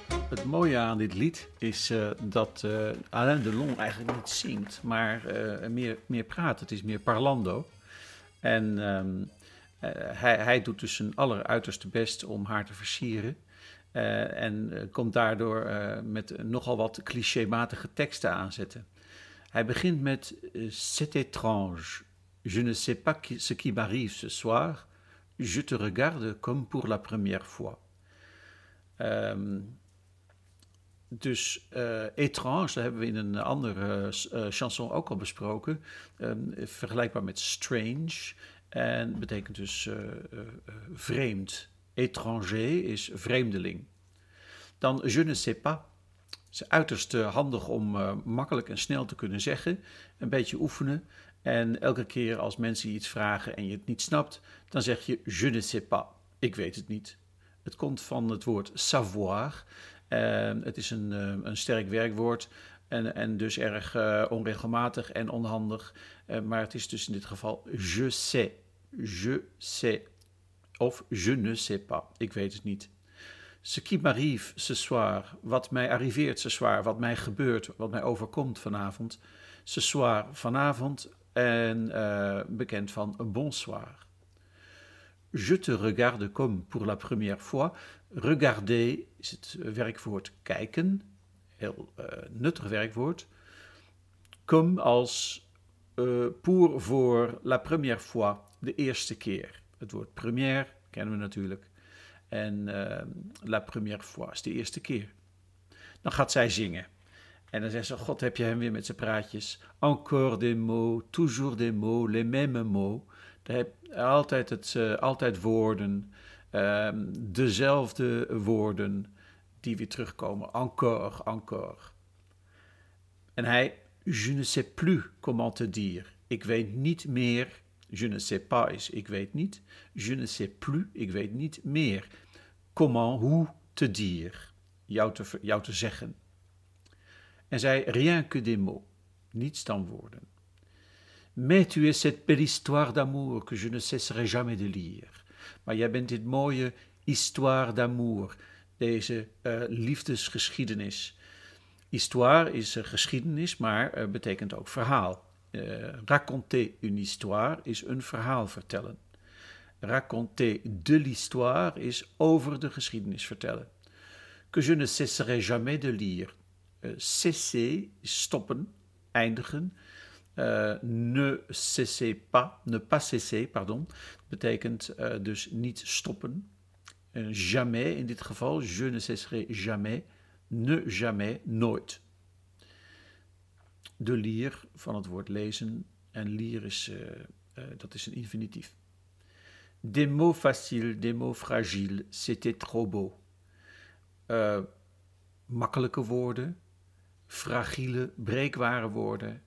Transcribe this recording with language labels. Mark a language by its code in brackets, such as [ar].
[nl] Het mooie aan dit lied is dat Alain Delon eigenlijk niet zingt, maar meer praat. Het is meer parlando. En hij doet dus zijn alleruiterste best om haar te versieren. En komt daardoor met nogal wat clichématige teksten aanzetten. Hij begint met [fr] C'est étrange, je ne sais pas ce qui m'arrive ce soir, je te regarde comme pour la première fois. [nl] Dus étrange, dat hebben we in een andere chanson ook al besproken, vergelijkbaar met strange, en betekent dus vreemd. Étranger is vreemdeling. Dan [fr] je ne sais pas, [nl] is uiterst handig om makkelijk en snel te kunnen zeggen, een beetje oefenen, en elke keer als mensen iets vragen en je het niet snapt, dan zeg je je ne sais pas, ik weet het niet. Het komt van het woord savoir. Het is een sterk werkwoord en dus erg onregelmatig en onhandig. Maar het is dus in dit geval [fr] je sais, [nl] of [fr] je ne sais pas, [nl] ik weet het niet. [fr] Ce qui m'arrive ce soir, [nl] wat mij arriveert [fr] ce soir, [nl] wat mij gebeurt, wat mij overkomt vanavond. [fr] Ce soir, [nl] vanavond, en bekend van bonsoir. [fr] Je te regarde comme pour la première fois. [nl] Regarder is het werkwoord kijken, heel nuttig werkwoord. Comme als pour voor [fr] la première fois, [nl] de eerste keer. Het woord première kennen we natuurlijk. En [fr] la première fois [nl] is de eerste keer. Dan gaat zij zingen. En dan zegt ze, God, heb je hem weer met zijn praatjes. [fr] Encore des mots, toujours des mots, les mêmes mots. [nl] Daar heb je altijd, altijd woorden. Dezelfde woorden die weer terugkomen. [fr] Encore, encore. [nl] En hij, [fr] je ne sais plus comment te dire. [nl] Ik weet niet meer. [fr] Je ne sais pas [nl] is ik weet niet. [fr] Je ne sais plus, [nl] ik weet niet meer. comment, hoe [fr] te dire, [nl] jou te zeggen. En zei, [fr] rien que des mots, [nl] niets dan woorden. [fr] Mais tu es cette belle histoire d'amour que je ne cesserai jamais de lire. [nl] Maar jij bent dit mooie [fr] histoire d'amour, [nl] deze liefdesgeschiedenis. Histoire is geschiedenis, maar betekent ook verhaal. [fr] Raconter une histoire [nl] is een verhaal vertellen. [fr] Raconter de l'histoire [nl] is over de geschiedenis vertellen. [fr] Que je ne cesserai jamais de lire. Cesser [nl] is stoppen, eindigen. [fr] Ne cesser pas, ne pas cesser, pardon. [nl] Betekent dus niet stoppen. Jamais in dit geval, [fr] je ne cesserai jamais. Ne jamais, [nl] nooit. De lire van het woord lezen. En lire is, dat is een infinitief. [fr] Des mots faciles, des mots fragiles, c'était trop beau. [nl] Makkelijke woorden, fragile, breekbare woorden.